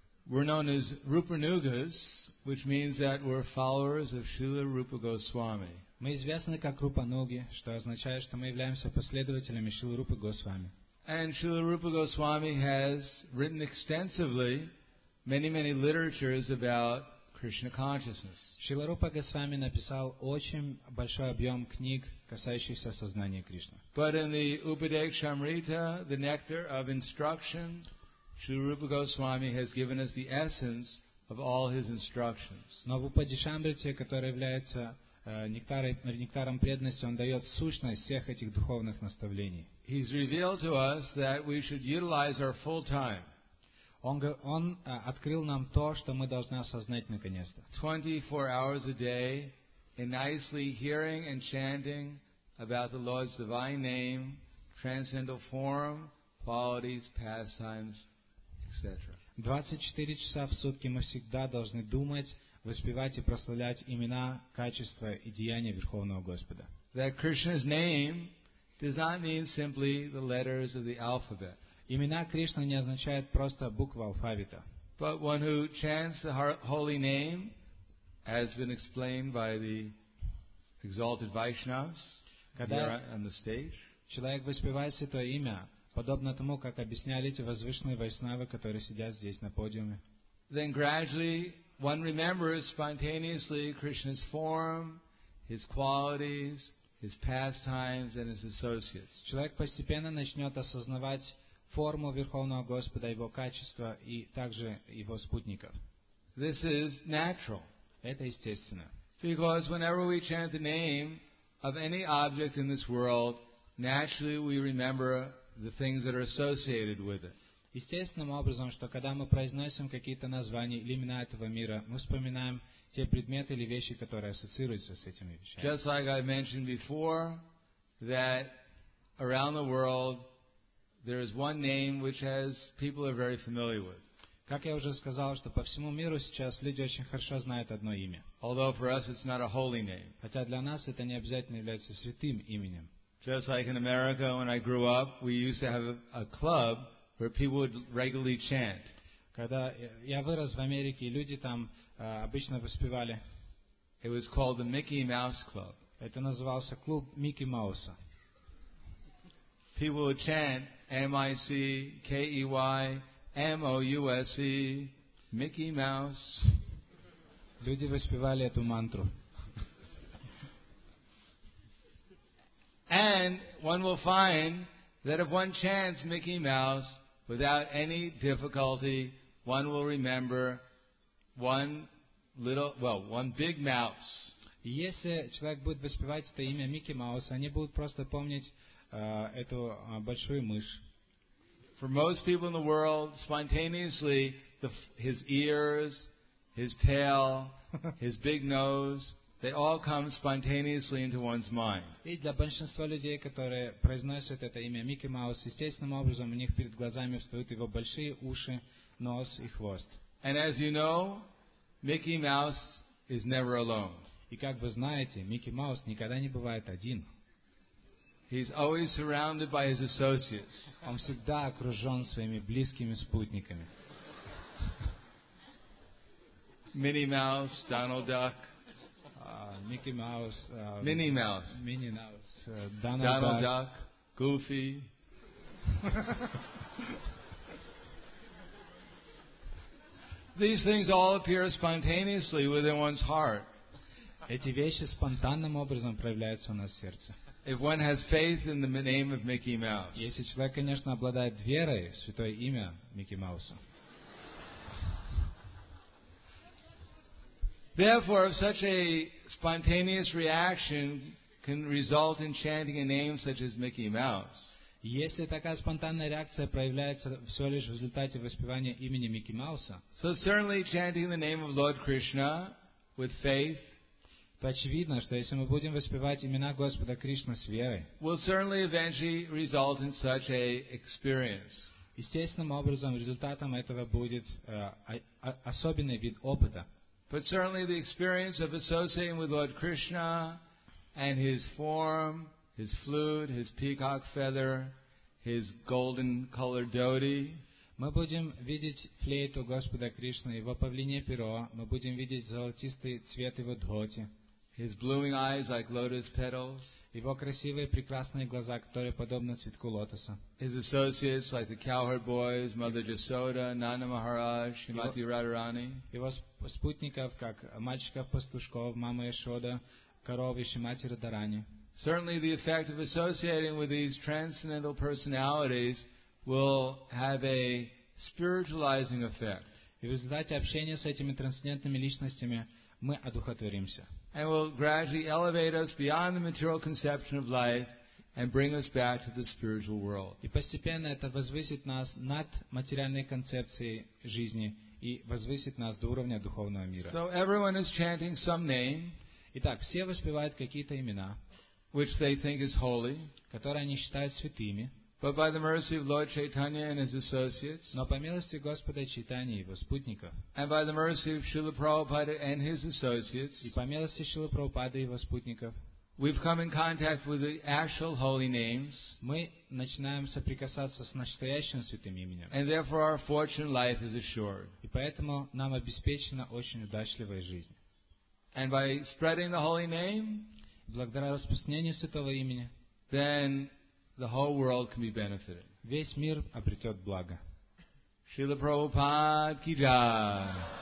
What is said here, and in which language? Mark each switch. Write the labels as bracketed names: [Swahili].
[English] We're known as Rupanugas, which means that we're followers of Srila Rupa Goswami. [Russian] Мы известны как Рупануги, что означает, что мы являемся последователями Шрилы Рупы Госвами. [English] And Srila Rupa Goswami has written extensively many, many literatures about Krishna consciousness. [Russian] Шрила Рупа Госвами написал очень большой объем книг, касающихся сознания Кришны. [English] But in the Upadeshamrita, the nectar of instruction, Srila Rupa Goswami has given us the essence of all his instructions. [Russian] Но в Упадешамрите, которая является нектаром преданности, он дает сущность всех этих духовных наставлений. [English] He's revealed to us that we should utilize our full time. [Russian] Он открыл нам то, что мы должны осознать наконец-то. [English] 24 hours a day in nicely hearing and chanting about the Lord's divine name, transcendental form, qualities, pastimes, [Russian] 24 часа в сутки мы всегда должны думать, воспевать и прославлять имена, качества и деяния Верховного Господа. [English] That Krishna's name does not mean simply the letters of the alphabet. [Russian] Имена Кришны не означают просто буквы алфавита. [English] But one who chants the holy name, as been explained by the exalted Vaishnavas here on the stage. [Russian] Человек воспевает святое имя, подобно тому, как объясняли эти возвышенные вайшнавы, которые сидят здесь на подиуме. [English] Then gradually one remembers spontaneously Krishna's form, his qualities, his pastimes and his associates. [Russian] Человек постепенно начнет осознавать форму Верховного Господа, его качества и также его спутников. [English] This is natural. [Russian] Это естественно. [English] Because whenever we chant the name of any object in this world, naturally we remember the things that are associated with it. [Russian] Естественным образом, что когда мы произносим какие-то названия или имена этого мира, мы вспоминаем те предметы или вещи, которые ассоциируются с этими вещами. [English] Just like I mentioned before, that around the world there is one name which has people are very familiar with. [Russian] Как я уже сказал, что по всему миру сейчас люди очень хорошо знают одно имя. [English] Although for us it's not a holy name. [Russian] Хотя для нас это не обязательно является святым именем. [English] Just like in America, when I grew up, we used to have a club where people would regularly chant. [Russian] Когда я вырос в Америке, люди там обычно воспевали. [English] It was called the Mickey Mouse Club. [Russian] Это назывался клуб Микки Мауса. [English] People would chant M-I-C-K-E-Y-M-O-U-S-E, Mickey Mouse. [Russian] Люди воспевали эту мантру. [English] And one will find that if one chants Mickey Mouse without any difficulty, one will remember one big mouse. [Russian] Если человек будет воспевать это имя Микки Маус, они будут просто помнить эту большую мышь. [English] For most people in the world, spontaneously, his ears, his tail, his big nose, They all come spontaneously into one's mind. [Russian] И для большинства людей, которые произносят это имя Микки Маус, естественным образом у них перед глазами встают его большие уши, нос и хвост. [English] And as you know, Mickey Mouse is never alone. [Russian] И как вы знаете, Микки Маус никогда не бывает один. [English] He's always surrounded by his associates. [Russian] Он всегда окружен своими близкими спутниками. [English] Minnie Mouse, Donald Duck. Mickey Mouse. Minnie Mouse. Minnie Mouse. Donald Duck. Goofy. These things all appear spontaneously within one's heart. [Russian] Эти вещи спонтанным образом проявляются у нас в сердце. [English] If one has faith in the name of Mickey Mouse. [Russian] Если человек, конечно, обладает верой в святое имя Микки Мауса. [English] Therefore, if such a spontaneous reaction can result in chanting a name such as Mickey Mouse. [Russian] Если такая спонтанная реакция проявляется всего лишь в результате воспевания имени Микки Мауса. [English] So certainly chanting the name of Lord Krishna with faith. [Russian] То очевидно, что если мы будем воспевать имена Господа Кришны с верой. [English] Will certainly eventually result in such a experience. [Russian] Естественным образом результатом этого будет особенный вид опыта. [English] But certainly the experience of associating with Lord Krishna and his form, his flute, his peacock feather, his golden colored dhoti. [Russian] Мы будем видеть флейту Господа Кришны, его павлинье перо, мы будем видеть золотистый цвет его дхоти. [English] His blooming eyes like lotus petals. [Russian] Его красивые прекрасные глаза, которые подобны цветку лотоса. [English] His associates like the cowherd boys, Mother Jasoda, Nana Maharaj, Shrimati Radharani. [Russian] Его спутников как мальчиков пастушков, мама Яшода, коровы Шримати Радарани. [English] Certainly, the effect of associating with these transcendental personalities will have a spiritualizing effect. [Russian] И в результате общения с этими трансцендентными личностями мы одухотворимся. [English] And will gradually elevate us beyond the material conception of life and bring us back to the spiritual world. [Russian] И постепенно это возвысит нас над материальной концепцией жизни и возвысит нас до уровня духовного мира. [English] So everyone is chanting some name. [Russian] Итак, все воспевают какие-то имена, [English] which they think is holy, [Russian] которые они считают святыми. [English] But by the mercy of Lord Chaitanya and his associates, [Russian] но по милости Господа Чайтаньи и его спутников, [English] and by the mercy of Srila Prabhupada and his associates, [Russian] и по милости Шрилы Прабхупады и его спутников, [English] we've come in contact with the actual holy names, [Russian] мы начинаем соприкасаться с настоящим святым именем, [English] and therefore our fortune in life is assured. [Russian] И поэтому нам обеспечена очень удачливая жизнь. [English] And by spreading the holy name, [Russian] благодаря распространению святого имени, [English] then the whole world can be benefited. [Russian] Весь мир обретет благо. [Hindi] Шрила Прабхупада ки джай.